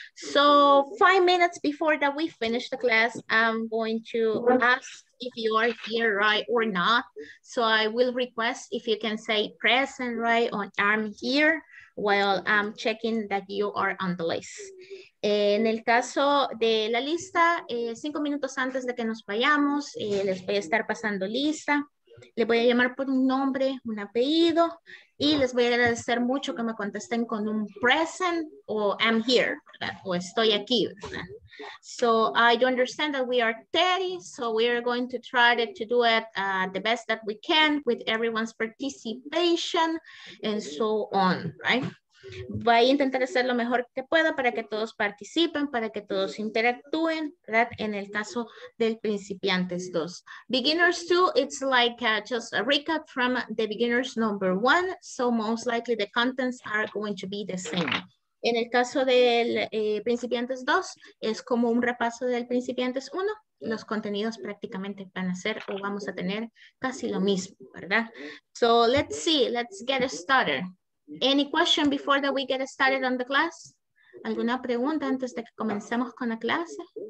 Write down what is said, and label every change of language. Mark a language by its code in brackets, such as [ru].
[en] So 5 minutes before that we finish the class, I'm going to ask if you are here right or not. So I will request if you can say present right or I'm here while I'm checking that you are on the list. [es] En el caso de la lista, 5 minutos antes de que nos vayamos, les voy a estar pasando lista. Les voy a llamar por un nombre, un apellido, y les voy a agradecer mucho que me contesten con un present o I'm here, ¿verdad? O estoy aquí, ¿verdad? [en] So I do understand that we are 30, so we are going to try to do it the best that we can with everyone's participation and so on, right? [es] Voy a intentar hacer lo mejor que pueda para que todos participen, para que todos interactúen, ¿verdad? En el caso del principiantes 2. [en] Beginners 2, it's like just a recap from the beginners number 1, so most likely the contents are going to be the same. [es] En el caso del principiantes 2, es como un repaso del principiantes 1. Los contenidos prácticamente van a ser o vamos a tener casi lo mismo, ¿verdad? [en] So let's see, let's get started. Any question before that we get started on the class? [es] ¿Alguna pregunta antes de que comencemos con la clase?